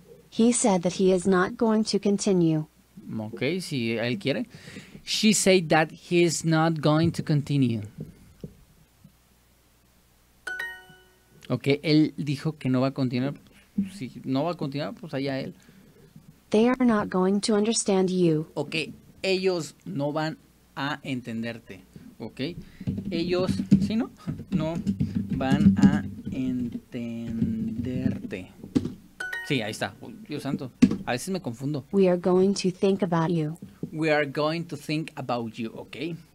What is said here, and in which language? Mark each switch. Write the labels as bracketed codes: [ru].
[en] He said that he is not going to continue. [es] Ok, si él quiere. [en] She said that he is not going to continue. [es] Ok, él dijo que no va a continuar. Si no va a continuar, pues allá él. [en] They are not going to understand you. [es] Ok, ellos no van a entenderte. Ok, ellos, ¿sí no? No van a entenderte. Sí, ahí está. Dios santo. A veces me confundo. [en] We are going to think about you. We are going to think about you, ¿ok?